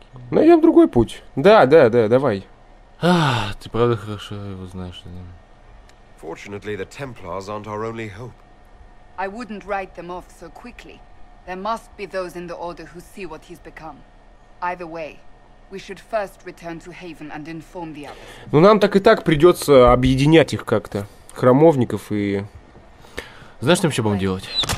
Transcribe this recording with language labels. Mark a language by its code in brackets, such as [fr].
[ru] найдем другой путь. Да, давай. А, ты правда хорошо его знаешь. [en] Fortunately, the Templars aren't our only hope. I wouldn't write them off so quickly. There must be those in the Order who see what he's become. Either way, we should first return to Haven and inform the others. [ru] Ну, нам так и так придется объединять их как-то. Храмовников и... Знаешь, там что будем делать?